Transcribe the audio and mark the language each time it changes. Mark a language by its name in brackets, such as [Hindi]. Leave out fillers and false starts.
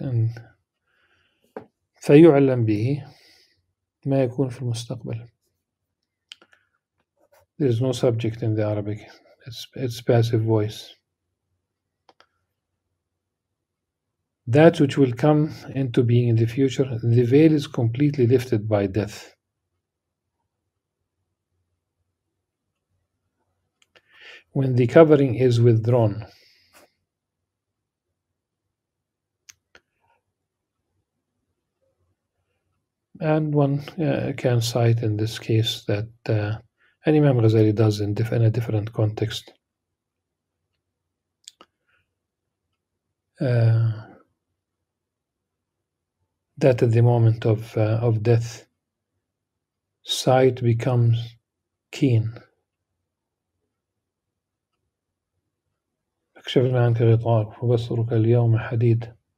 [Arabic] And فيعلم به ما يكون في المستقبل. [English] There is no subject in the Arabic. It's passive voice. That which will come into being in the future, the veil is completely lifted by death. When the covering is withdrawn, and one can cite in this case that Imam Ghazali does in a different context. That at the moment of death, sight becomes keen. [Arabic] أكشفنا عنك غطاءك وبصرك اليوم حديد.